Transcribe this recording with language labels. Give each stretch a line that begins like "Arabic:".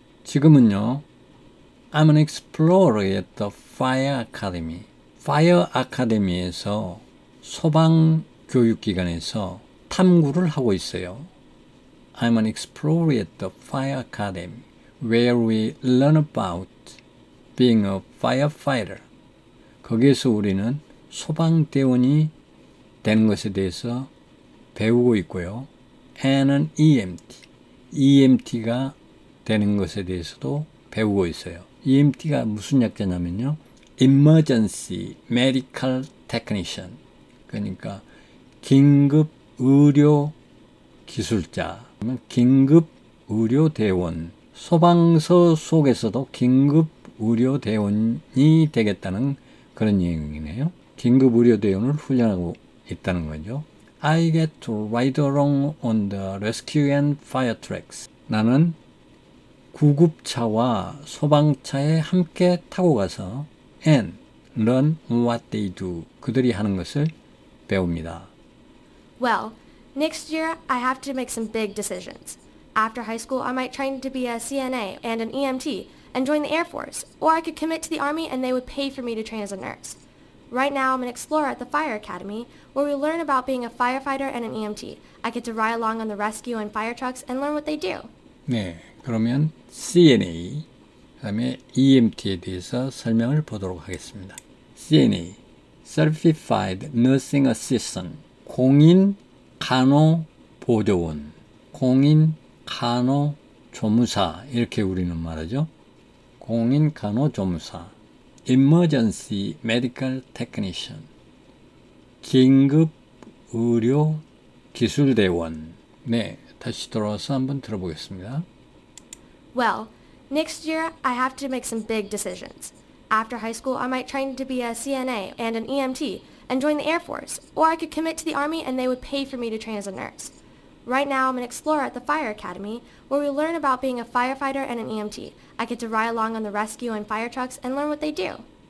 Korean: 지금은요,
English: I'm an explorer at the Fire Academy.
Korean: Fire Academy에서 소방교육기관에서 탐구를 하고 있어요.
English: I'm an explorer at the Fire Academy where we learn about being a firefighter.
Korean: 거기에서 우리는 소방대원이 되는 것에 대해서 배우고 있고요.
English: And an EMT.
Korean: EMT가 되는 것에 대해서도 배우고 있어요. EMT가 무슨 약자냐면요. Emergency Medical Technician. 그러니까 긴급 의료 기술자. 긴급 의료 대원. 소방서 속에서도 긴급 의료 대원이 되겠다는 그런 얘기네요. 긴급 의료 대원을 훈련하고 있다는 거죠.
English: I get to ride along on the rescue and fire trucks.
Korean: 나는 구급차와 소방차에 함께 타고 가서
English: and learn what they do.
Korean: 그들이 하는 것을 배웁니다.
English: Well, next year I have to make some big decisions. After high school, I might try to be a CNA and an EMT and join the Air Force. Or I could commit to the Army and they would pay for me to train as a nurse. Right now, I'm an explorer at the Fire Academy, where we learn about being a firefighter and an EMT. I get to ride along on the rescue and fire trucks and learn what they do.
Korean: 네, 그러면 CNA, 그다음에 EMT에 대해서 설명을 보도록 하겠습니다. CNA, Certified Nursing Assistant, 공인 간호보조원, 공인 간호조무사, 이렇게 우리는 말하죠. 공인 간호조무사. Emergency Medical Technician, 긴급 의료 기술대원. 네, 다시 돌아와서 한번 들어보겠습니다.
English: Well, next year I have to make some big decisions. After high school, I might try to be a CNA and an EMT and join the Air Force. Or I could commit to the Army and they would pay for me to train as a nurse. Right now, I'm an explorer at the Fire Academy, where we learn about being a firefighter and an EMT. I get to ride along on the rescue and fire trucks and learn what they do.